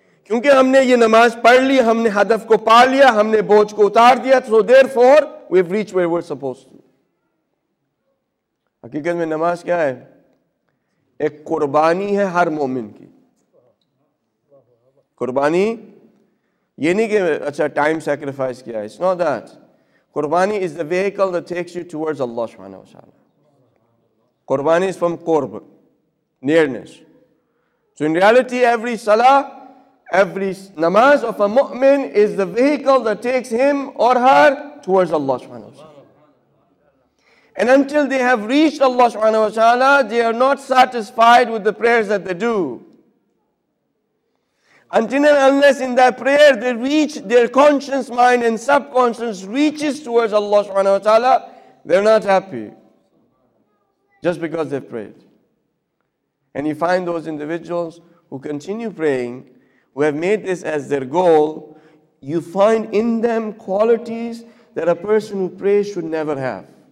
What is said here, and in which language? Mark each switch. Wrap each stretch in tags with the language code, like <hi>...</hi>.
<ur>کیونکہ ہم نے یہ نماز پڑھ لی, ہم نے ہدف کو پا لیا, ہم نے بوجھ کو اتار دیا,</ur> <en>So there for we reach where we are suppose to.</en> <ur>حقیقت میں نماز کیا ہے؟ ایک قربانی ہے ہر مومن کی. قربانی یہ نہیں کہ اچھا ٹائم سیکریفائس کیا ہے,</ur> <en>It's not that. قربانی is the vehicle that takes you towards Allah سبحانہ و تعالی. قربانی از فرام قرب, nearness. So in reality every صلاح, ایوری نماز آف اے مومن is the vehicle that takes him or her towards Allah سبحانہ و تعالی. And until they have reached Allah سبحانہ و تعالی, they are not satisfied with the prayers that they do. Until and unless in that prayer they reach their conscious mind and subconscious reaches towards Allah subhanahu wa ta'ala, they're not happy. just because they've prayed. And you find those individuals who continue praying, who have made this as their goal, you find in them qualities that a person who prays should never have.</en>